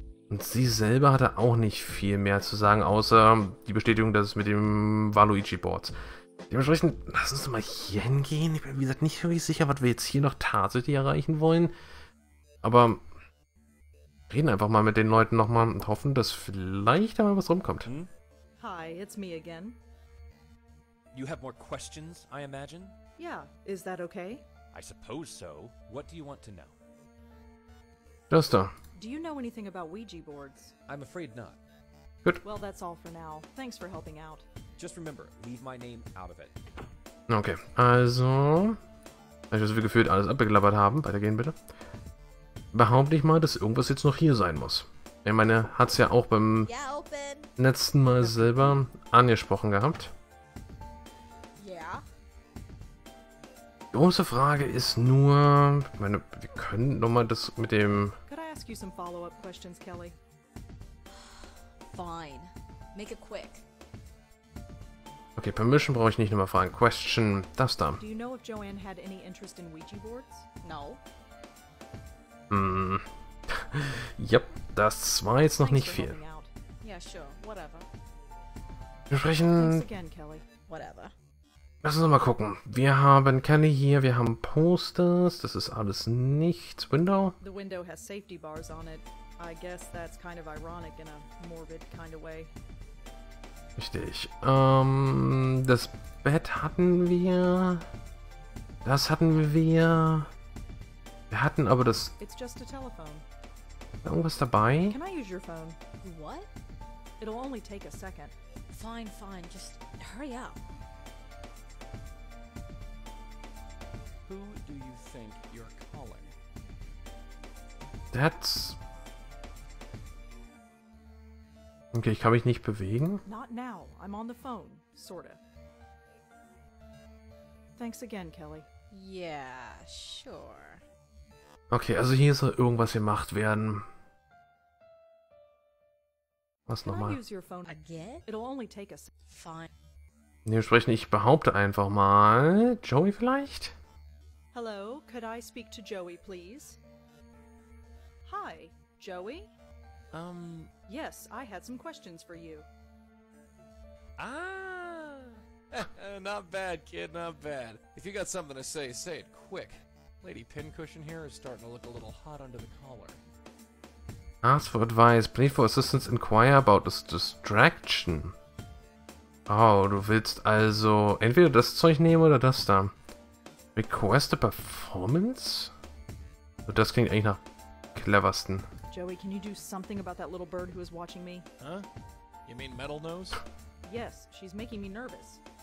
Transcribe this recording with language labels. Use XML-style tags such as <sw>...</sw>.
<de>Und sie selber hatte auch nicht viel mehr zu sagen, außer die Bestätigung, dass es mit dem Waluigi-Boards. Dementsprechend, lass uns mal hier hingehen. Ich bin, wie gesagt, nicht wirklich sicher, was wir jetzt hier noch tatsächlich erreichen wollen. Aber reden einfach mal mit den Leuten nochmal und hoffen, dass vielleicht da mal was rumkommt.</de> <en>Hi, it's me again. You have more questions, I imagine? Yeah, is that okay? I suppose so. What do you want to know?</en> <de>Das da.</de> <en>Do you know anything about Ouija boards? I'm afraid not.</en> <de>Gut.</de> <en>Well, that's all for now. Thanks for helping out. Just remember, leave my name out of it.</en> <de>Okay, also, weil wir gefühlt alles abgeklappert haben, weitergehen bitte. Behaupte ich mal, dass irgendwas jetzt noch hier sein muss. Ich meine, hat es ja auch beim letzten Mal selber angesprochen gehabt.</de> <en>Yeah.</en> <de>Die große Frage ist nur, ich meine, wir können nochmal das mit dem...</de> <en>Could I ask you some follow-up questions, Kelly? Fine. Make it quick.</en> <de>Okay, Permission brauche ich nicht nochmal fragen. Question, das da.</de> <en>Do you know if Joanne had any interest in Ouija boards? No.</en> <de>Yep, das war jetzt noch nicht viel.</de> <en>Yeah, sure, whatever.</en> <de>Wir sprechen...</de> <en>Thanks again, Kelly. Whatever.</en> <de>Lass uns mal gucken. Wir haben Kelly hier, wir haben Posters, das ist alles nichts.</de> <en>Window? The window has safety bars on it. I guess that's kind of ironic in a morbid kind of way.</en> <de>Richtig. Das Bett hatten wir. Das hatten wir. Wir hatten aber das.</de> <en>It's just a telephone.</en> <de>Irgendwas dabei?</de> <en>Can I use your phone? What? It'll only take a second. Fine, fine. Just hurry up. Who do you think you're calling? That's.</en> <de>Okay, ich kann mich nicht bewegen.</de> <en>Not now. I'm on the phone, sorta. Thanks again, Kelly. Yeah, sure.</en> <de>Okay, also hier soll irgendwas gemacht werden. Was nochmal?</de> <en>Use your phone again? It'll only take us. Fine.</en> <de>Dementsprechend, ich behaupte einfach mal, Joey vielleicht?</de> <en>Hello, could I speak to Joey, please? Hi, Joey? Yes, I had some questions for you. Ah! Not bad, kid, not bad. If you got something to say, say it quick. Lady Pincushion here is starting to look a little hot under the collar. Ask for advice. Please for assistance inquire about this distraction.</en> <de>Oh, du willst also entweder das Zeug nehmen oder das da.</de> <en>Request a performance?</en> <de>So, das klingt eigentlich nach cleversten.</de> <en>Joey, can you do something about that little bird who is watching me? Huh? You mean Metal Nose? Yes, she's making me nervous.</en>